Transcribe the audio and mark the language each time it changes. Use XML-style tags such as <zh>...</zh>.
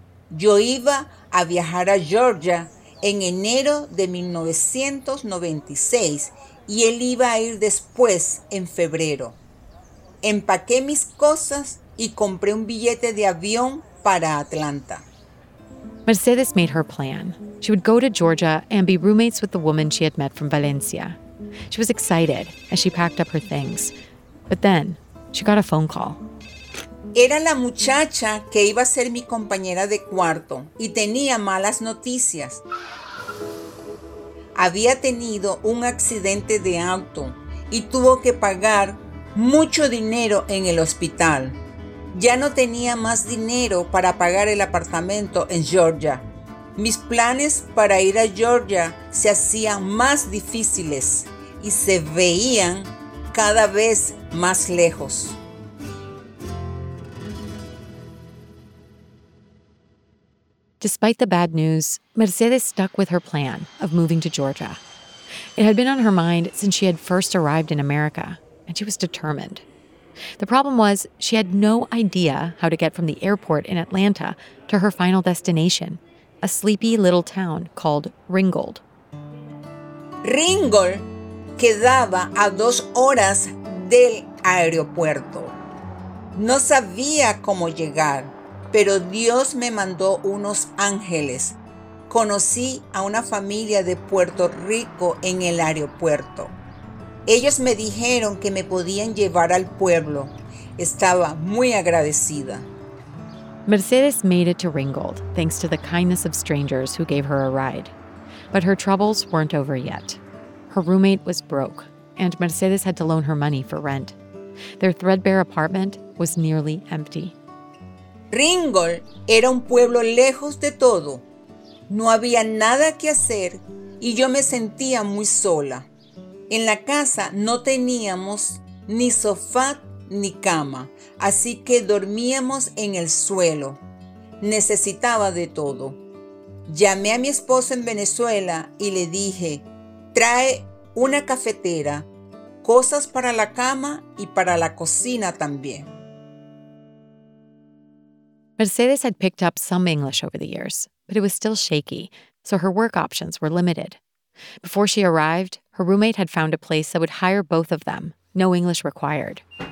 <es>Yo iba a viajar a Georgia en enero de 1996 y él iba a ir después en febrero. Empaqué mis cosas y compré un billete de avión para Atlanta.</es> <en>Mercedes made her plan. She would go to Georgia and be roommates with the woman she had met from Valencia. She was excited as she packed up her things. But then she got a phone call.</en> <es>Era la muchacha que iba a ser mi compañera de cuarto y tenía malas noticias. Había tenido un accidente de auto y tuvo que pagar mucho dinero en el hospital. Ya no tenía más dinero para pagar el apartamento en Georgia. Mis planes para ir a Georgia se hacían más difíciles y se veían cada vez más lejos.</es> <en>Despite the bad news, Mercedes stuck with her plan of moving to Georgia. It had been on her mind since she had first arrived in America, and she was determined. The problem was she had no idea how to get from the airport in Atlanta to her final destination, a sleepy little town called Ringgold.</en> <es>Ringgold quedaba a 2 horas del aeropuerto. No sabía cómo llegar. Pero Dios me mandó unos ángeles. Conocí a una familia de Puerto Rico en el aeropuerto. Ellos me dijeron que me podían llevar al pueblo. Estaba muy agradecida.</es> <en>Mercedes made it to Ringgold thanks to the kindness of strangers who gave her a ride. But her troubles weren't over yet. Her roommate was broke, and Mercedes had to loan her money for rent. Their threadbare apartment was nearly empty.</en> <es>Ringgold era un pueblo lejos de todo. No había nada que hacer y yo me sentía muy sola. En la casa no teníamos ni sofá ni cama, así que dormíamos en el suelo. Necesitaba de todo. Llamé a mi esposo en Venezuela y le dije, trae una cafetera, cosas para la cama y para la cocina también.</es> <en>Mercedes had picked up some English over the years, but it was still shaky, so her work options were limited. Before she arrived, her roommate had found a place that would hire both of them, no English required.</en>